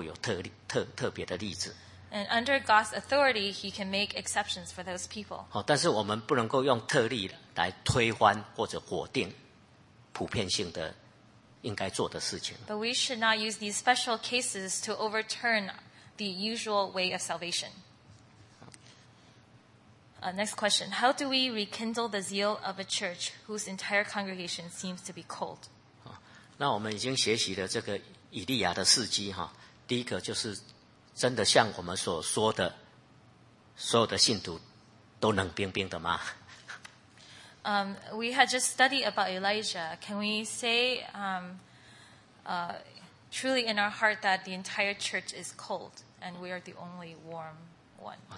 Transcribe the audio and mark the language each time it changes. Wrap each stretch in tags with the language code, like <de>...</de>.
<zh>所以在神的权柄里头，他能够有特例、特别的例子。</zh> <en>And under God's authority, He can make exceptions for those people.</en> <zh>但是我们不能够用特例。来推翻或者否定普遍性的应该做的事情。</zh> <en>But we should not use these special cases to overturn the usual way of salvation. Next question. How do we rekindle the zeal of a church whose entire congregation seems to be cold?</en> <zh>那我们已经学习了这个以利亚的事迹，第一个就是真的像我们所说的，所有的信徒都冷冰冰的吗？</zh> <en>We had just studied about Elijah. Can we say truly in our heart that the entire church is cold and we are the only warm one?</en>